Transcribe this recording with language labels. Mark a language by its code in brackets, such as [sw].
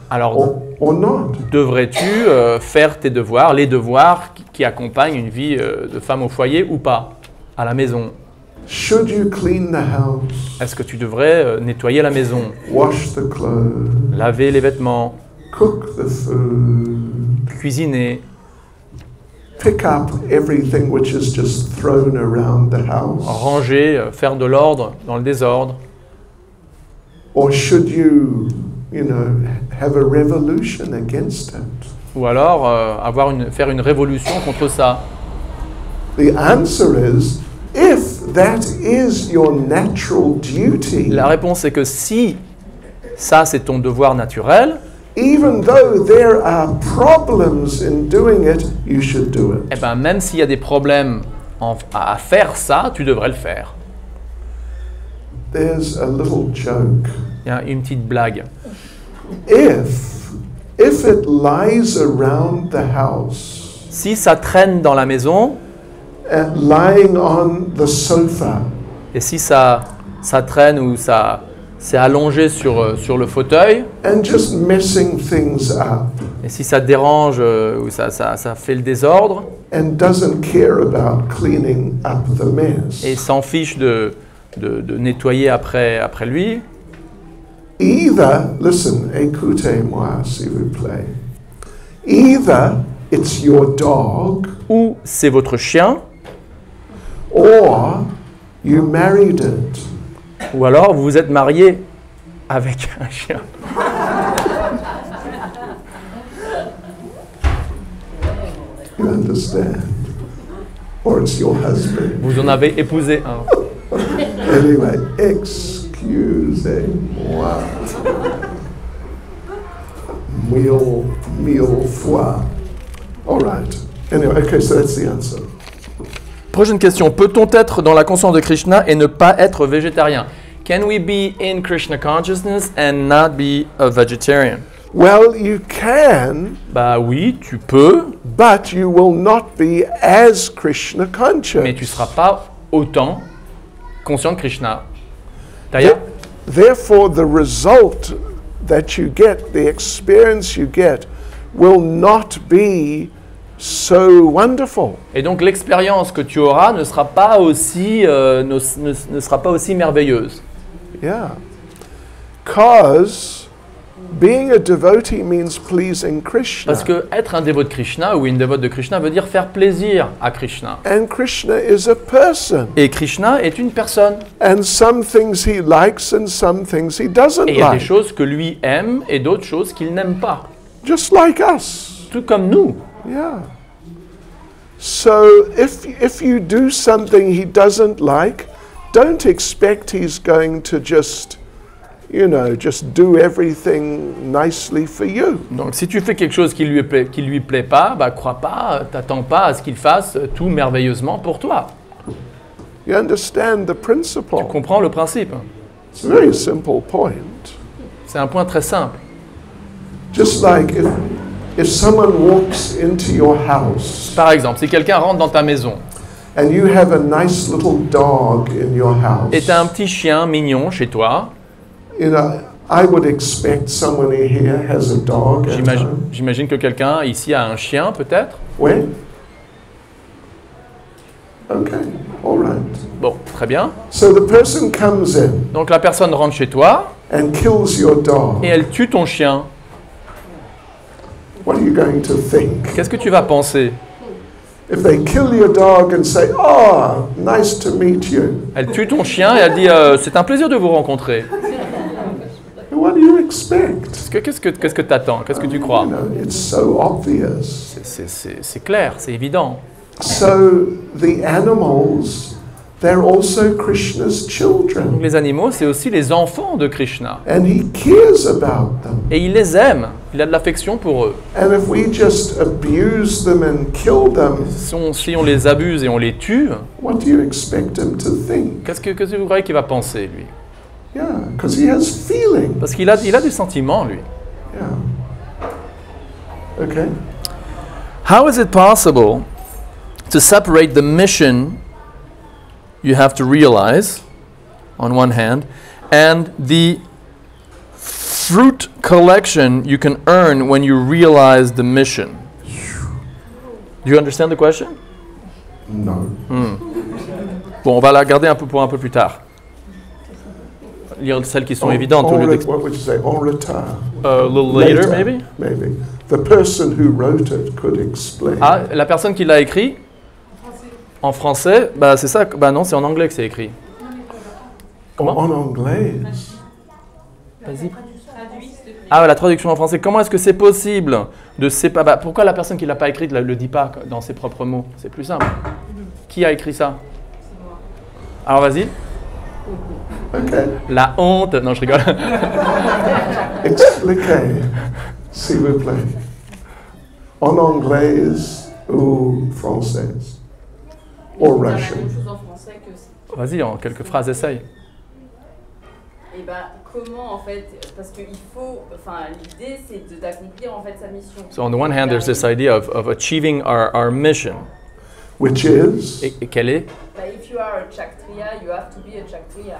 [fr] Alors, [en] or not? [fr] Devrais-tu faire tes devoirs, les devoirs qui accompagnent une vie de femme au foyer ou pas à la maison? [en] Should you clean the house? [fr] Est-ce que tu devrais nettoyer la maison? [en] Wash the clothes. [fr] Laver les vêtements. [en] Cook the food. [fr] Cuisiner. [en] Pick up everything which is just thrown around the house. [fr] Ranger, faire de l'ordre dans le désordre. [en] Or should you, you know, have a revolution against it? [fr] Ou alors faire une révolution contre ça. [en] The answer is, if that is your natural duty. [fr] La réponse est que si ça c'est ton devoir naturel. [en] Even though there are problems in doing it, you should do it. [fr] Eh ben, même s'il y a des problèmes à faire ça, tu devrais le faire. [en] There's a little joke. [fr] Il y a une petite blague. [en] If it lies around the house. [fr] Si ça traîne dans la maison. [en] Lying on the sofa. [fr] Et si ça traîne ou ça. C'est allongé sur le fauteuil. [en] And just messing things up. [fr] Et si ça dérange ou ça fait le désordre. [en] And doesn't care about cleaning up the mess. [fr] Et s'en fiche de nettoyer après lui. [en] Either, listen, [fr] écoutez-moi s'il vous plaît. [en] Either it's your dog. [fr] Ou c'est votre chien. [en] Or you married it. [fr] Ou alors vous êtes marié avec un chien. [en] You understand? Or it's your husband. [fr] Vous en avez épousé un. [en] Anyway, [fr] excusez-moi. Mille fois. [en] All right. Anyway, okay, so that's the answer. [fr] Prochaine question. Peut-on être dans la conscience de Krishna et ne pas être végétarien? [en] Can we be in Krishna consciousness and not be a vegetarian? Well, you can. [fr] Bah oui, tu peux. [en] But you will not be as Krishna conscious. [fr] Mais tu ne seras pas autant conscient de Krishna. D'ailleurs. [en] Therefore, the result that you get, the experience you get, will not be so wonderful. [fr] Et donc l'expérience que tu auras ne sera pas aussi ne sera pas aussi merveilleuse. [en] Yeah. Cause being a devotee means pleasing Krishna. [fr] Parce que être un dévot de Krishna ou une dévote de Krishna veut dire faire plaisir à Krishna. [en] And Krishna is a person. [fr] Et Krishna est une personne. [en] And some things he likes and some things he doesn't like. [fr] Et il y a des choses que lui aime et d'autres choses qu'il n'aime pas. [en] Just like us. [fr] Tout comme nous. [en] Yeah. So if you do something he doesn't like, don't expect he's going to just do everything nicely for you. [fr] Donc si tu fais quelque chose qui lui plaît pas, bah crois pas, t'attends pas à ce qu'il fasse tout merveilleusement pour toi. [en] You understand the principle? [fr] Tu comprends le principe? [en] It's a very simple point. [fr] C'est un point très simple. [en] Just like if someone walks into your house. [fr] Par exemple, si quelqu'un rentre dans ta maison. [en] And you have a nice little dog in your house. [fr] Et t'as un petit chien mignon chez toi. [en] I would expect someone here has a dog. [fr] J'imagine que quelqu'un ici a un chien, peut-être. Oui. [en] Okay. All right. [fr] Bon, très bien. [en] So the person comes in. [fr] Donc la personne rentre chez toi. [en] And kills your dog. [fr] Et elle tue ton chien. [en] What are you going to think? [fr] Qu'est-ce que tu vas penser? [en] If they kill your dog and say, "Oh, nice to meet you." [fr] Elle tue ton chien et elle dit, "C'est un plaisir de vous rencontrer." [en] What do you expect? [fr] Qu'est-ce que t'attends? Qu'est-ce que tu crois? [en] You know, it's so obvious. [fr] C'est clair, c'est évident. [en] So the animals, they're also Krishna's children. [fr] Donc les animaux, c'est aussi les enfants de Krishna. [en] And he cares about them. [fr] Et il les aime. Il a de l'affection pour eux. [en] And if we just abuse them and kill them, [fr] si on les abuse et on les tue, [en] what do you expect him to think? [fr] Qu'est-ce que vous croyez qu'il va penser, lui? [en] Yeah, because he has feelings. [fr] Parce qu'il a des sentiments, lui. [en] Yeah. Okay. How is it possible to separate the mission you have to realize, on one hand, and the fruit collection you can earn when you realize the mission? Do you understand the question? No. [fr] Bon, on va la garder pour un peu plus tard. Lire celles qui sont évidentes. [en] A little later, maybe. The person who wrote it could explain. [fr] Ah, la personne qui l'a écrit. En français, bah c'est ça. Bah non, c'est en anglais que c'est écrit. Comment? En anglais. Vas-y. Ah, la traduction en français. Comment est-ce que c'est possible de séparer? Bah, pourquoi la personne qui l'a pas écrit le dit pas dans ses propres mots? C'est plus simple. Qui a écrit ça? C'est moi. Alors vas-y. [en] Okay. [fr] La honte. Non, je rigole. Expliquez, s'il vous plaît. En anglais ou français? [en] Or Russian. [fr] Vas-y, en quelques phrases, essaye. Et bah, comment en fait, parce que l'idée c'est d'accomplir en fait sa mission. [en] So on the one hand, there's this idea of achieving our mission. Which is? [fr] Et quelle est? [en] Bah, if you are a Kshatriya, you have to be a Kshatriya.